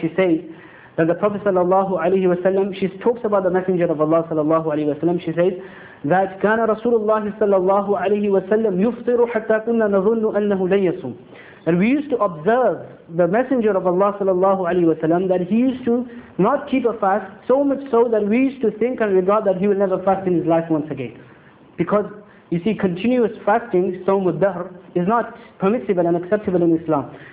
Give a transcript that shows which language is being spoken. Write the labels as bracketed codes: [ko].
[en] She says that the Prophet sallallahu alaihi wasallam, she talks about the Messenger of Allah sallallahu alaihi wasallam. She says that [ar] كان رسول الله صلى الله عليه وسلم يفطر حتى كنا نظن أنه لن يصوم. [en] And we used to observe the Messenger of Allah sallallahu alaihi wasallam that he used to not keep a fast, so much so that we used to think and regard that he will never fast in his life once again. Because you see, continuous fasting, sawm al-dahr, is not permissible and acceptable in Islam.